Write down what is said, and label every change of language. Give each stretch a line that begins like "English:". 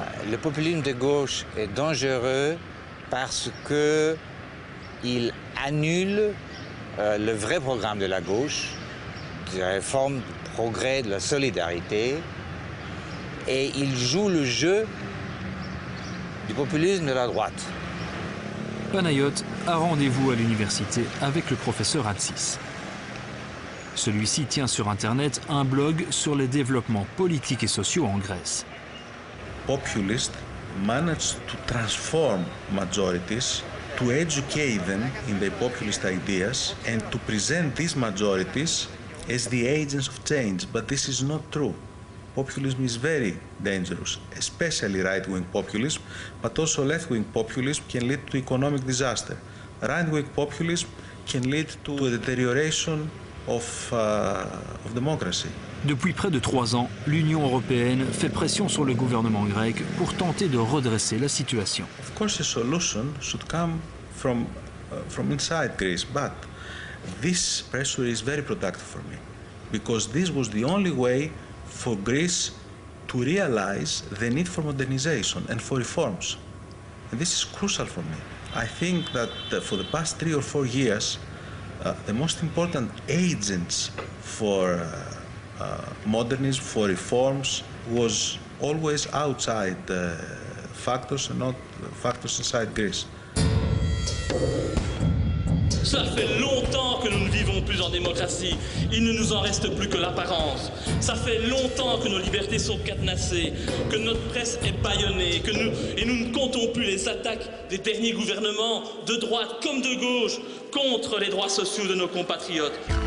French: Le populisme de gauche est dangereux parce que il annule le vrai programme de la gauche, de la réforme, du progrès, de la solidarité, et il joue le jeu du populisme de la droite. Panayotte a rendez-vous à l'université avec le professeur Hatzis. Celui-ci tient sur Internet un blog sur les développements politiques et sociaux en Grèce.
English: Populist managed to transform majorities, to educate them in the populist ideas and to present these majorities as the agents of change. But this is not true. Populism is very dangerous, especially right-wing populism, but also left-wing populism can lead to economic disaster. Right-wing populism can lead to a deterioration of democracy.
French: Depuis près de trois ans, l'Union européenne fait pression sur le gouvernement grec pour tenter de redresser la situation.
English: Of course, the solution should come from inside Greece, but this pressure is very productive for me because this was the only way for Greece to realize the need for modernization and for reforms. And this is crucial for me. I think that for the past three or four years, the most important agents for modernism, for reforms, was always outside factors and not factors inside Greece.
French: Ça fait longtemps que nous ne vivons plus en démocratie. Il ne nous en reste plus que l'apparence. Ça fait longtemps que nos libertés sont cadenassées, que notre presse est bâillonnée, et nous ne comptons plus les attaques des derniers gouvernements, de droite comme de gauche, contre les droits sociaux de nos compatriotes.